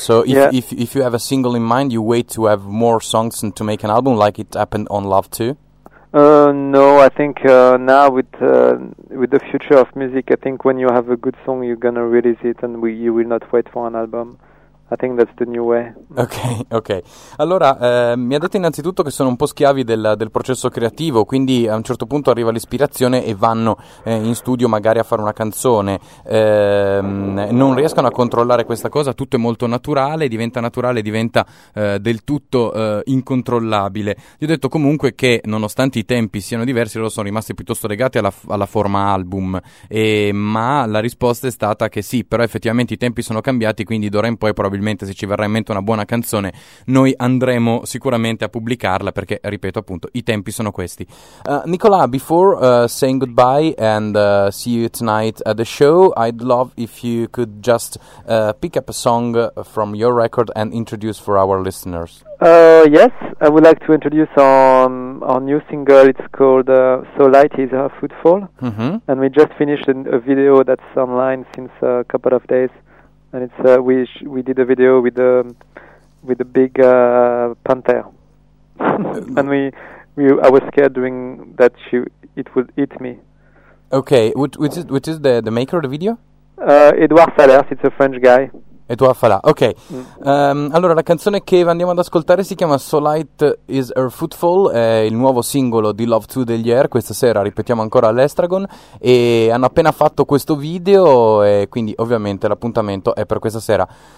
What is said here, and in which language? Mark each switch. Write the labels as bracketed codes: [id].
[en] So if you have a single in mind, you wait to have more songs and to make an album, like it happened on Love 2. No, I think now with the future of music, I think when you have a good song, you're gonna release it, and you will not wait for an album. I think that's the new way. Ok. [it] Allora, mi ha detto innanzitutto che sono un po' schiavi del processo creativo, quindi a un certo punto arriva l'ispirazione e vanno in studio magari a fare una canzone. Non riescono a controllare questa cosa, tutto è molto naturale, diventa del tutto incontrollabile. Gli ho detto comunque che nonostante i tempi siano diversi, loro sono rimasti piuttosto legati alla forma album, ma la risposta è stata che sì, però effettivamente i tempi sono cambiati, quindi d'ora in poi probabilmente probabilmente se ci verrà in mente una buona canzone, noi andremo sicuramente a pubblicarla, perché, ripeto appunto, i tempi sono questi. [en] Nicola, before saying goodbye and see you tonight at the show, I'd love if you could just pick up a song from your record and introduce for our listeners. Yes, I would like to introduce our new single. It's called So Light Is Her Footfall. Mm-hmm. And we just finished a video that's online since a couple of days. And it's we did a video with a big panther. And I was scared doing that, it would eat me. Okay, which is the maker of the video? Edouard Fallers, it's a French guy. [it] E tu a falà. Ok. Allora, la canzone che andiamo ad ascoltare si chiama So Light Is Her Footfall. È il nuovo singolo di Love 2 degli Air. Questa sera ripetiamo ancora all'Estragon. E hanno appena fatto questo video. E quindi, ovviamente, l'appuntamento è per questa sera.